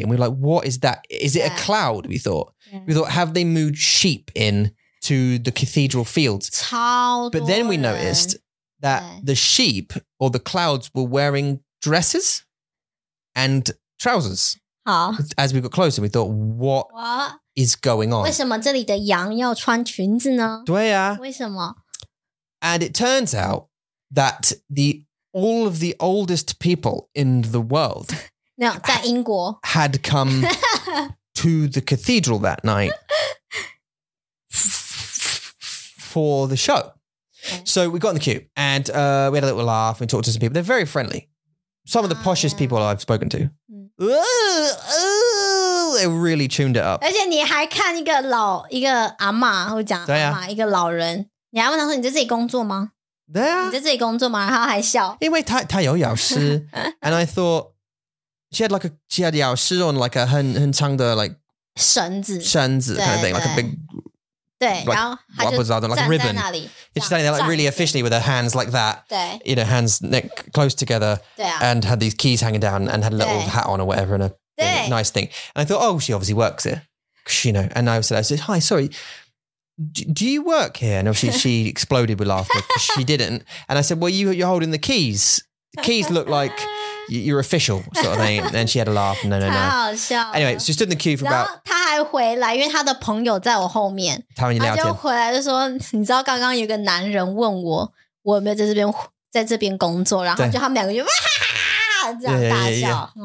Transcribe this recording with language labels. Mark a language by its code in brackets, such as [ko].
[en] And we were like, what is that? Is it a cloud? We thought. Yeah. We thought, have they moved sheep in? To the cathedral fields. But then we noticed that the sheep or the clouds were wearing dresses and trousers. As we got closer, we thought, what is going on? [zh] 为什么这里的羊要穿裙子呢？对啊。为什么？ [en] And it turns out that all of the oldest people in the world [zh] 在英国 [en] had come to the cathedral that night. For the show. So we got in the queue and we had a little laugh. We talked to some people. They're very friendly. Some of the poshest people I've spoken to. They really tuned it up. [zh] 而且你还看一个阿嬷，我讲阿嬷，一个老人。你还问他说你在这里工作吗？对啊。你在这里工作吗？然后还笑。因为他有咬丝。 [en] And I thought, she had咬丝 on like a [zh] 很长的 [en] like... [zh] 绳子。绳子 [en] kind of thing, like a big... [zh] 对，然后他就站在那里，就站在那里 [en] ，really officially with her hands like that. [zh] 对 [en] ，you know, hands neck close together. [zh] 对啊 [en] ，and had these keys hanging down, and had a little hat on or whatever, and a nice thing. And I thought, oh, she obviously works here, you know. And I said, hi, sorry, do you work here? And obviously she exploded with laughter. She didn't. And I said, well, you're holding the keys. The keys look like you're official sort of thing. And she had a laugh. No. [zh] 太好笑了。 [en] Anyway, she stood in the queue for about. [zh] 回来，因为他的朋友在我后面，他们聊天他就回来就说：“你知道刚刚有个男人问我，我有没有在这边工作？” 然后就他们两个就哇哈哈这样大笑。